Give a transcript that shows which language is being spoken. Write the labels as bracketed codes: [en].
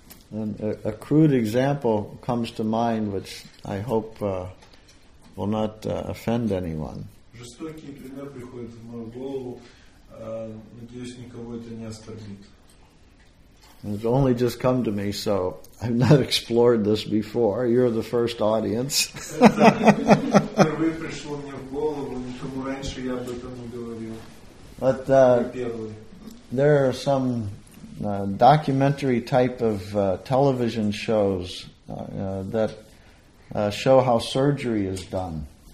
[en] And a crude example comes to mind, which I hope will not offend anyone. [ru] Жестокий пример приходит в мою голову. Надеюсь, никого это не оскорбит. [en] It's only just come to me, so I've not explored this before. You're the first audience. [ru] Впервые пришло мне в голову, никому раньше я об этом не говорил. [en] But there are some documentary type of television shows that show how surgery is done.